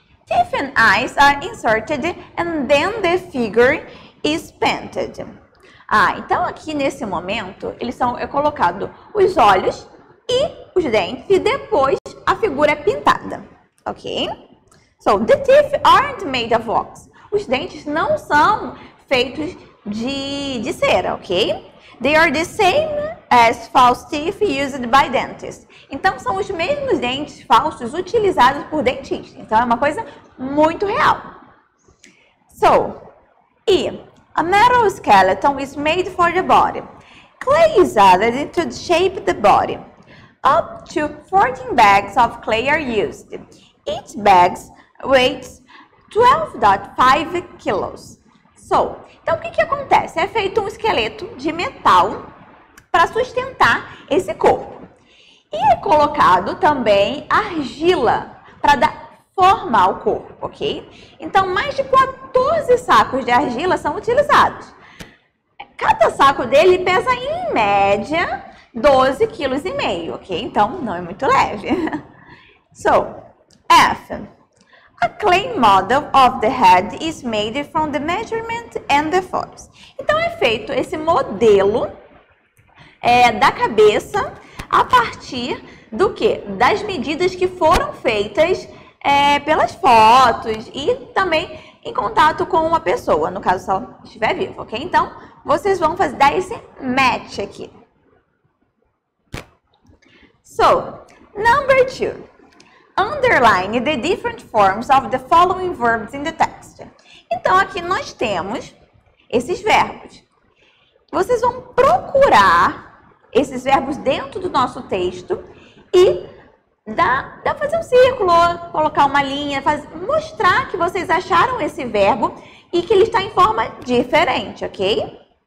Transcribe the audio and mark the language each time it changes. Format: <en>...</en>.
<en>Teeth and eyes are inserted and then the figure is painted.</en> <pt>Ah, então aqui nesse momento, eles são colocados os olhos e os dentes e depois a figura é pintada. Ok?</pt> <en>So, the teeth aren't made of wax.</en> <pt>Os dentes não são feitos de cera, ok?</pt> <en>They are the same as false teeth used by dentists.</en> <pt>Então, são os mesmos dentes falsos utilizados por dentistas. Então, é uma coisa muito real.</pt> <en>So, e a metal skeleton is made for the body. Clay is added to shape the body. Up to 14 bags of clay are used. Each bag weighs 12.5 kilos.</en> <pt>So, então, o que, que acontece? É feito um esqueleto de metal para sustentar esse corpo. E é colocado também argila para dar forma ao corpo, ok? Então, mais de 14 sacos de argila são utilizados. Cada saco dele pesa, em média, 12,5 kg, ok? Então, não é muito leve.</pt> <en>So, F. A clay model of the head is made from the measurement and the forms.</en> <pt>Então, é feito esse modelo da cabeça a partir do quê? Das medidas que foram feitas pelas fotos e também em contato com uma pessoa, no caso, se ela estiver viva, ok? Então, vocês vão fazer, dar esse match aqui.</pt> <en>So, number two. Underline the different forms of the following verbs in the text.</en> <pt>Então, aqui nós temos esses verbos. Vocês vão procurar esses verbos dentro do nosso texto e dá fazer um círculo, colocar uma linha, mostrar que vocês acharam esse verbo e que ele está em forma diferente, ok?</pt>